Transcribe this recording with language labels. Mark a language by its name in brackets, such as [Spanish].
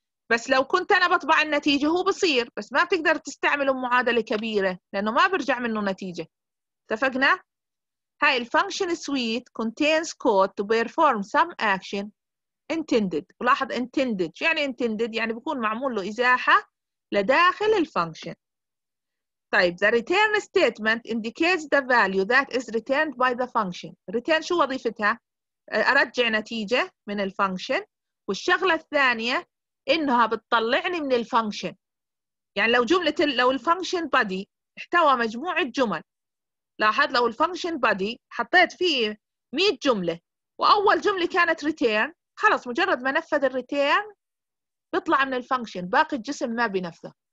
[Arabic] بس لو كنت انا بطبع النتيجه هو بصير، بس ما بتقدر تستعمله بمعادله كبيره لانه ما بيرجع منه نتيجه. اتفقنا؟ هاي الفانكشن [English] سويت contains code to perform some action intended. [Arabic] ولاحظ intended يعني intended يعني بيكون معمول له إزاحة لداخل الفانكشن. [English] طيب the return statement indicates the value that is returned by the function. [Arabic] return شو وظيفتها؟ أرجع نتيجة من الفانكشن. والشغلة الثانية إنها بتطلعني من الفانكشن. يعني لو جملة، لو الفانكشن body احتوى مجموعة جمل، لاحظ لو الفانكشن body حطيت فيه 100 جملة وأول جملة كانت return، خلص مجرد ما نفذ الريتيرن بيطلع من الفانكشن، باقي الجسم ما بينفذه.